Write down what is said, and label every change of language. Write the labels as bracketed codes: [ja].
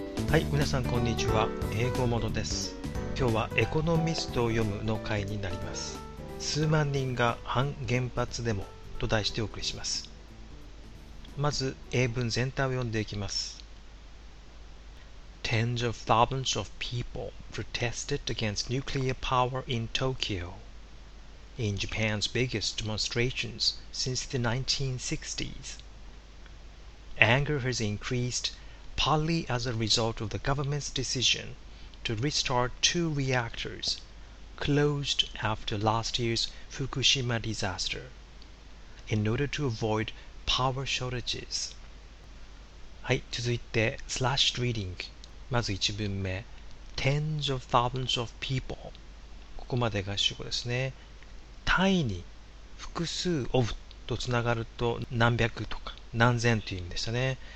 [ja] はい、皆さんこんにちは。英語モノです。今日はエコノミストを読むの回になります。数万人が反原発デモと題してお送りします。まず英文全体を読んでいきます。 [en] Tens of thousands of people protested against nuclear power in Tokyo in Japan's biggest demonstrations since the 1960s. Anger has increased partly as a result of the government's decision to restart two reactors closed after last year's Fukushima disaster in order to avoid power shortages. [ja] はい、続いて slashed reading。まず一文目、 [en] tens of thousands of people、 [ja] ここまでが主語ですね。単位に複数 of とつながると何百とか何千という意味でしたね。